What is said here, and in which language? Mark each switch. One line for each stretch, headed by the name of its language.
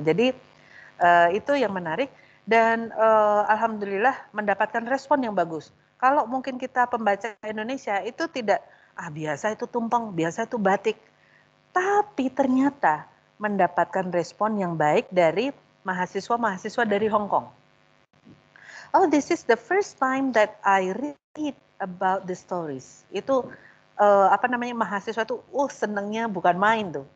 Indonesian: Jadi, itu yang menarik. Dan alhamdulillah mendapatkan respon yang bagus. Kalau mungkin kita pembaca Indonesia itu tidak, biasa itu tumpeng, biasa itu batik. Tapi ternyata mendapatkan respon yang baik dari mahasiswa-mahasiswa dari Hong Kong.
English: Oh, this is the first time that I read about the stories.
Indonesian: Itu mahasiswa itu senangnya bukan main tuh.